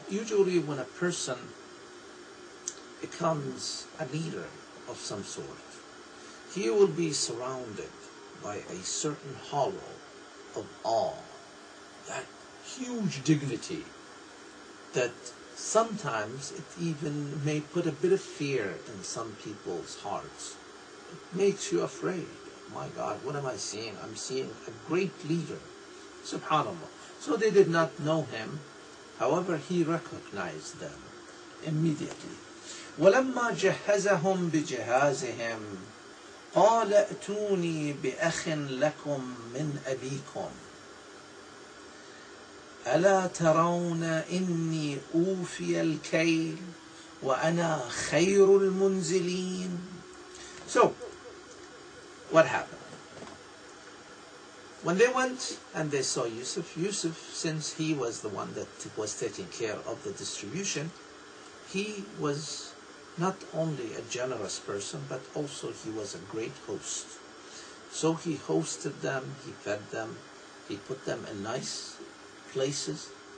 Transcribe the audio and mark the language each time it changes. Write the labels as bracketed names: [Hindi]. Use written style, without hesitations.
[English] Usually when a person becomes a leader of some sort, he will be surrounded by a certain halo of awe, that huge dignity that sometimes it even may put a bit of fear in some people's hearts. It makes you afraid. My God, what am I seeing? I'm seeing a great leader. SubhanAllah. So they did not know him. However, he recognized them immediately. [Arabic] وَلَمَّا جَهَّزَهُمْ بِجِهَازِهِمْ قَالَ أَتُونِي بِأَخٍ لَكُمْ مِنْ أَبِيكُمْ أَلَا تَرَوْنَ إِنِّي أُوفِيَ الْكَيْلِ وَأَنَا خَيْرُ الْمُنْزِلِينَ. [English] So, what happened? When they went and they saw Yusuf, Yusuf, since he was the one that was taking care of the distribution, he was not only a generous person, but also he was a great host. So he hosted them, he fed them, he put them in nice places.